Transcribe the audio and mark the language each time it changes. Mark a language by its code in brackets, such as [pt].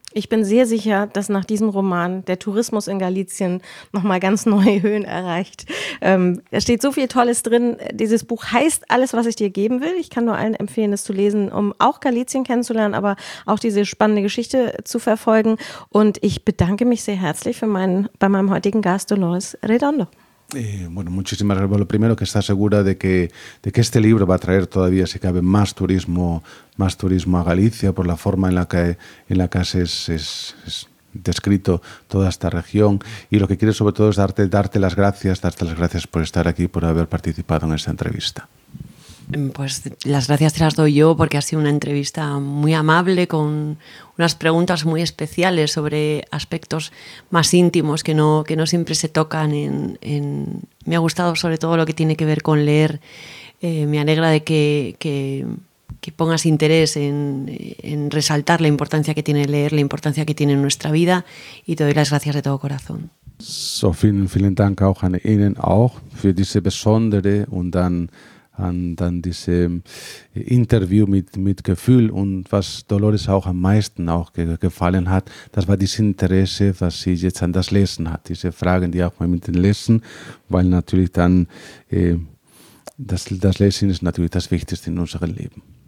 [de] Ich bin sehr sicher, dass nach diesem Roman der Tourismus in Galizien nochmal ganz neue Höhen erreicht. Da steht so viel Tolles drin. Dieses Buch heißt Alles, was ich dir geben will. Ich kann nur allen empfehlen, es zu lesen, um auch Galizien kennenzulernen, aber auch diese spannende Geschichte zu verfolgen. Und ich bedanke mich sehr herzlich bei meinem heutigen Gast, Dolores Redondo. [es] Bueno, muchísimas gracias. Lo primero, que está segura de que este libro va a traer todavía, si cabe, más turismo a Galicia, por la forma en la que es descrito toda esta región. Y lo que quiero sobre todo es darte las gracias por estar aquí, por haber participado en esta entrevista. Pues las gracias te las doy yo porque ha sido una entrevista muy amable con unas preguntas muy especiales sobre aspectos más íntimos que no siempre se tocan. Me ha gustado sobre todo lo que tiene que ver con leer. Me alegra de que pongas interés en resaltar la importancia que tiene leer, la importancia que tiene en nuestra vida, y te doy las gracias de todo corazón. [de] So, vielen, vielen Dank auch an Ihnen auch für diese besondere und dann diese Interview mit Gefühl. Und was Dolores auch am meisten auch gefallen hat, das war dieses Interesse, was sie jetzt an das Lesen hat, diese Fragen, die auch mal mit dem Lesen, weil natürlich dann das Lesen ist natürlich das Wichtigste in unserem Leben.